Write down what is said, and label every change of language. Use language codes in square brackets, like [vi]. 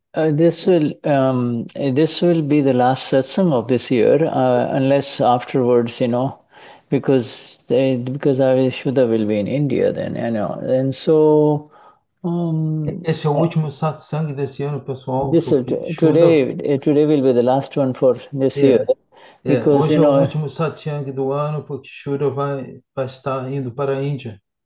[en] This will be the last satsang of this year, unless afterwards, because Avishuddha will be in India then, and so [pt] Esse é o último satsangue desse ano, pessoal, [en] this [pt] porque Shuddha. [en] today will be the last one for this year, because [pt] Hoje é o último satsangue do ano, porque Shuddha vai estar indo para a Índia.